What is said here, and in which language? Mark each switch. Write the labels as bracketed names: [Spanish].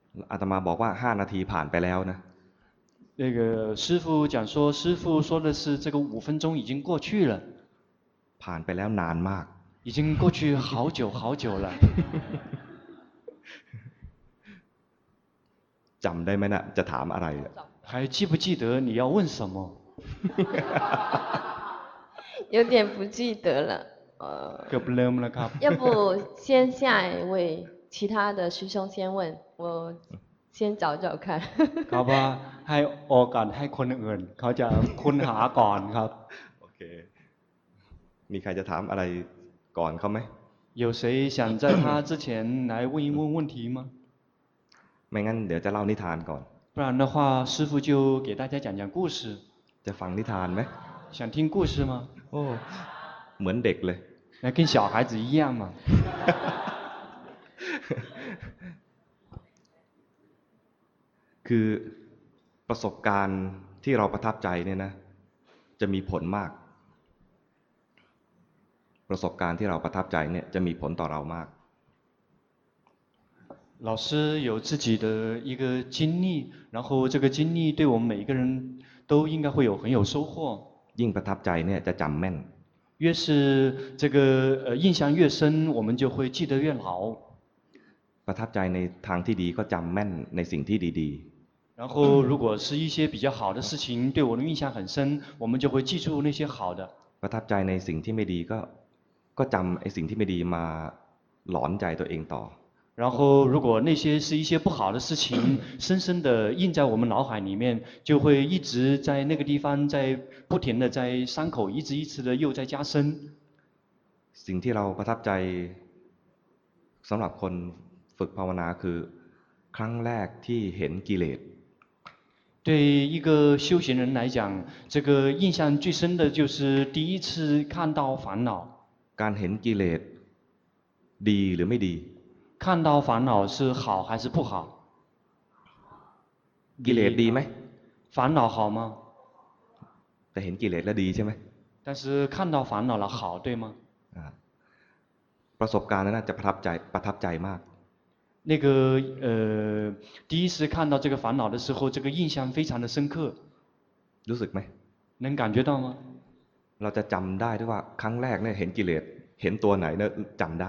[Thai] อาตมาบอกว่า5นาทีผ่านไปแล้วนะ。 [Chinese] 那个师父讲说，师父说的是这个五分钟已经过去了。 [Thai] ผ่านไปแล้วนานมาก [Chinese] 已经过去好久好久了 [Thai] จำได้ไหมนะจะถามอะไร [Chinese] 还记不记得你要问什么有点不记得了 [Thai] เกือบลืมแล้วครับ [Chinese] 要不先下一位其他的师兄先问我先找找看 [Thai] ครับว่าให้โอกาสให้คนอื่นเขาจะค้นหาก่อนครับ โอเคมีใครจะถามอะไรก่อนเขาไหม [Chinese] 有谁想在他之前来问一问问题吗 [Thai] ไม่งั้นเดี๋ยวจะเล่านิทานก่อน [Chinese] 不然的话师父就给大家讲讲故事 [Thai] จะฟังนิทานไหม [Chinese] 想听故事吗 [Thai] โอ้เหมือนเด็กเลย [Chinese] 那跟小孩子一样嘛 [Thai] คือประสบการณ์ที่เราประทับใจเนี่ยนะจะมีผลมากประสบการณ์ที่เราประทับใจเนี่ยจะมีผลต่อเรามาก [Chinese] 老师有自己的一个经历然后这个经历对我们每一个人都应该会有很有收获 [Thai] ยิ่งประทับใจเนี่ยจะจำแม่น [Chinese] 越是这个印象越深我们就会记得越牢 [Thai] ประทับใจในทางที่ดีก็จำแม่นในสิ่งที่ดี [Chinese] ๆ然后如果是一些比较好的事情对我的印象很深我们就会记住那些好的 [Thai] ประทับใจในสิ่งที่ไม่ดีก็จำไอ้สิ่งที่ไม่ดีมาหลอนใจตัวเองต่อ [Chinese] 然后如果那些是一些不好的事情深深的印在我们脑海里面就会一直在那个地方在不停的在伤口一直一次的又在加深 [Thai] สิ่งที่เราประทับใจสำหรับคนฝึกภาวนาคือครั้งแรกที่เห็นกิเลส [Chinese] 对一个修行人来讲这个印象最深的就是第一次看到烦恼 [Thai] การเห็นกิเลสดีหรือไม่ดี [Chinese] 看到烦恼是好还是不好 [Thai] กิเลสดีไหม [Chinese] 烦恼好吗 [Thai] แต่เห็นกิเลสแล้วดีใช่ไหม [Chinese] 但是看到烦恼了好对吗 [Thai] ประสบการณ์นั้นจะประทับใจมาก [Chinese] 那个第一次看到这个烦恼的时候这个印象非常的深刻 [Thai] รู้สึกไหม [Chinese] 能感觉到吗 [Thai] เราจะจำได้ด้วยว่าครั้งแรกเนี่ยเห็นกิเลสเห็นตัวไหนเนี่ยจำได